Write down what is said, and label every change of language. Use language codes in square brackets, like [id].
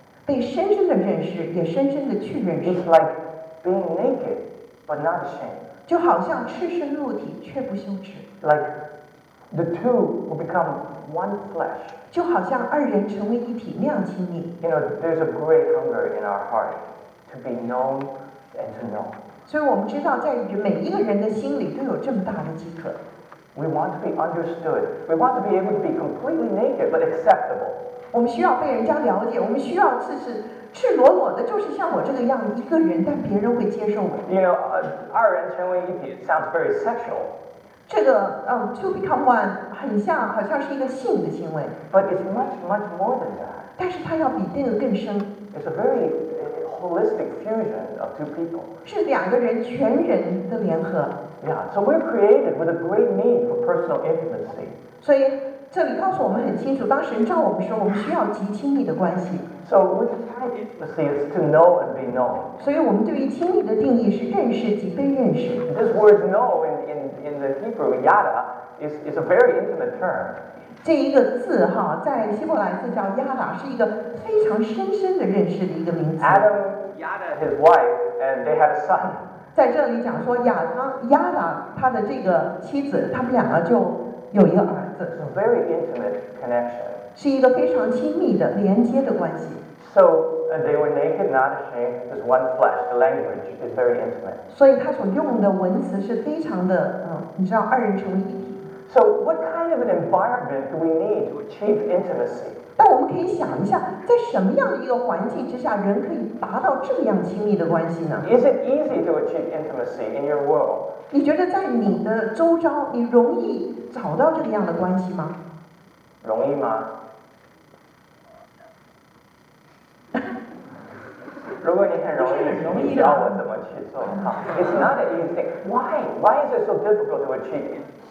[zh] 被深深的认识，也深深的去认识。 [en] It's like being naked, but not ashamed. [zh] 就好像赤身露体却不羞耻。 [en] Like the two will become one flesh. [zh] 就好像二人成为一体那样亲密。 [en] You know, there's a great hunger in our heart to be known and to know. [zh] 所以我们知道，在每一个人的心里都有这么大的饥渴。 [en] We want to be understood. We want to be able to be completely naked but acceptable. [zh] 我们需要被人家了解，我们需要自己。赤裸裸的，就是像我这个样一个人，但别人会接受我。 [en] You know, [zh] 二人成为一体 [en] sounds very sexual. [zh] 这个 [en] to become one [zh] 很像，好像是一个性的行为。 [en] But it's much, much more than that. [zh] 但是它要比这个更深。 [en] It's a very holistic fusion of two people. [zh] 是两个人全人的联合。 [en] Yeah, so we're created with a great need for personal intimacy. [zh] 所以这里告诉我们很清楚，当神造我们时，我们需要极亲密的关系。 [en] So we define intimacy as to know and be known. [zh] 所以我们对于亲密的定义是认识及被认识。 [en] This word know in the Hebrew yada is a very intimate term. [zh] 这一个字哈，在希伯来字叫 yada， 是一个非常深深的认识的一个名词。 [en] Adam yada his wife and they had a son. [zh] 在这里讲说亚当 yada 他的这个妻子，他们两个就有一个儿子。 [en] It's a very intimate connection. [zh] 是一个非常亲密的连接的关系。 [en] So they were naked, not ashamed, as one flesh. The language is very intimate. [zh] 所以他所用的文词是非常的，你知道，二人成为一体。 [en] So what kind of an environment do we need to achieve intimacy? [zh] 但我们可以想一下，在什么样的一个环境之下，人可以达到这样亲密的关系呢？ [en] Is it easy to achieve intimacy in your world? [zh] 你觉得在你的周遭，你容易找到这样的关系吗？容易吗？如果你很容易，容易教我怎么去做。 [en] It's not an easy thing. Why is it so difficult to achieve?